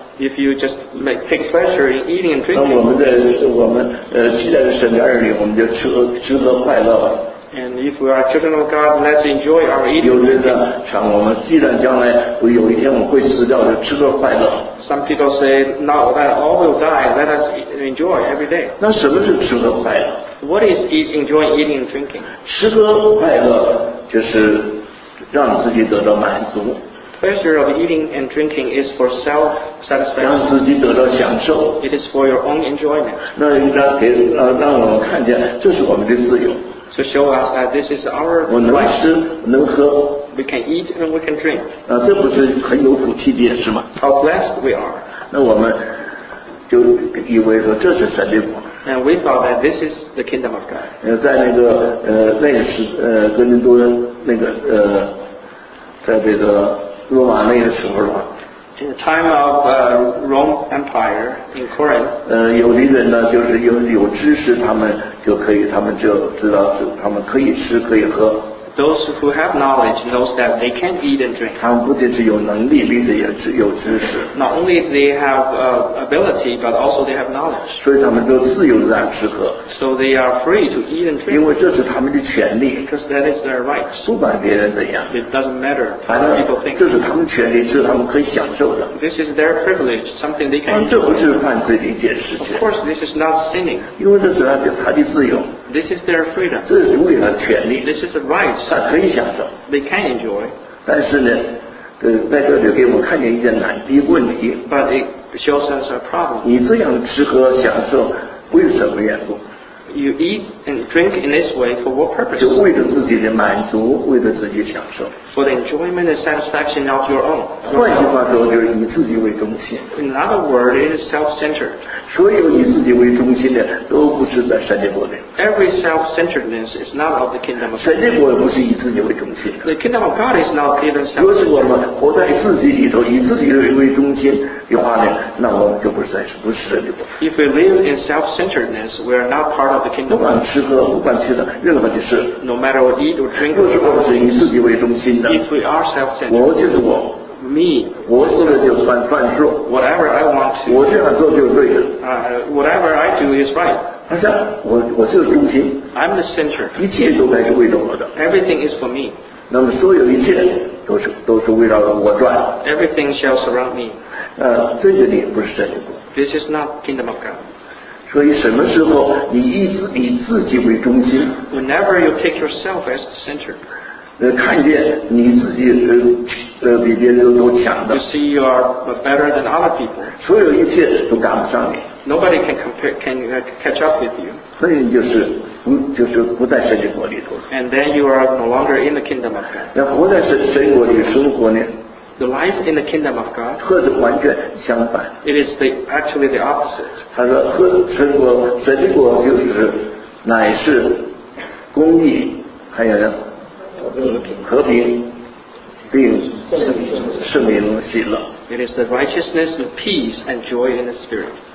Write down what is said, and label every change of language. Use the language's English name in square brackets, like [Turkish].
[English] If you just take pleasure in eating and drinking. [Chinese] 那我们既然是神的儿女，我们就吃喝快乐吧。 [English] And if we are children of God, let's enjoy our eating. [Chinese] 有人呢，像我们，既然将来有一天我们会死掉，就吃喝快乐。 [English] Some people say, "Now that all will die, let us enjoy every day." [Chinese] 那什么是吃喝快乐 [English] ？What is enjoying eating and drinking? [Chinese] 吃喝快乐就是让自己得到满足。 [English] Pleasure of eating and drinking is for self-satisfaction. [Chinese] 让自己得到享受。 [English] It is for your own enjoyment. [Chinese] 那应该给让我们看见，这是我们的自由。 [English] To show us that this is our life. [Chinese] 我能吃，能喝。 [English] We can eat and we can drink. [Chinese] 那这不是很有福气的是吗 [English] ？How blessed we are. [Chinese] 那我们就以为说这是神的国。 [English] And we thought that this is the kingdom of God. [Chinese] 在那个那个时哥林多那个在这个罗马那个时候了。 [English] In the time of the Rome Empire in Corinth, [Chinese] 有的人呢，就是有知识，他们就可以，他们就知道是他们可以吃，可以喝。 [English] Those who have knowledge knows that they can eat and drink. [Chinese] 他们不仅是有能力，并且也有知识。 [English] Not only they have ability, but also they have knowledge. [Chinese] 所以他们都自由地在吃喝。 [English] So they are free to eat and drink. [Chinese] 因为这是他们的权利。 [English] Because that is their rights. [Chinese] 不管别人怎样。 [English] It doesn't matter what people think. 反正 [Chinese] 这是他们权利，是他们可以享受的。 [English] This is their privilege, something they can enjoy. [Chinese] 这不是犯罪的一件事情。 [English] Of course, this is not sinning. [Chinese] 因为这是他的自由。 [English] This is their freedom. [Chinese] 这是为了权利。 [English] This is a right. [Chinese] 他可以享受。 [English] They can enjoy. [Chinese] 但是呢，在这里给我们看见一件难的问题。 [English] But it shows us a problem. [Chinese] 你这样吃喝享受，为什么缘故？ [English] You eat and drink in this way for what purpose? [Chinese] 就为了自己的满足，为了自己享受。 [English] For the enjoyment and satisfaction of your own. [Chinese] 换句话说，就是以自己为中心。 [English] In other words, it is self-centered. [Chinese] 所有以自己为中心的，都不是在神的国里。 [English] Every self-centeredness is not of the kingdom of God. [Chinese] 神的国不是以自己为中心的。 [English] The kingdom of God is not even self-centered. [Chinese] 若是我们活在自己里头，以自己为中心的话呢，那我们就不是在神的国。 [English] If we live in self-centeredness, we are not part of the kingdom. [Chinese] 不管吃喝，不管其他任何的事。 [English] No matter what eat or drink. [Chinese] 若是我们是以自己为中心的。 [English] If we are self-centered. [Chinese] 我就是我。 [English] Me, [Chinese] 我做的就算算数 [English] whatever I want to, [Chinese] 我这样做就对的 [English] whatever I do is right. [Chinese] 我就是中心 [English] I'm the center. [Chinese] 一切都该是为了我的 [English] everything is for me. [Chinese] 那么所有一切都是围绕着我转 [English] everything shall surround me. [Chinese] 这个你不是神的国 [English] this is not kingdom of God. [Chinese] 所以什么时候你以自己为中心 [English] whenever you take yourself as the center. [Chinese] 看见你自己比别人都强的 [English] you see you are better than other people. [Chinese] 所有一切都赶不上你 [English] nobody can, compare, can catch up with you [Chinese] 所以就是不在神的国里头 [English] and then you are no longer in the kingdom of God [Chinese] 活在神国里生活呢 [English] the life in the kingdom of God [Chinese] 和是完全相反 [English] it is the, actually the opposite [Chinese] 他说和神国就是乃是公义还有呢和平并圣灵喜乐 [English] It is the righteousness and peace and joy in the spirit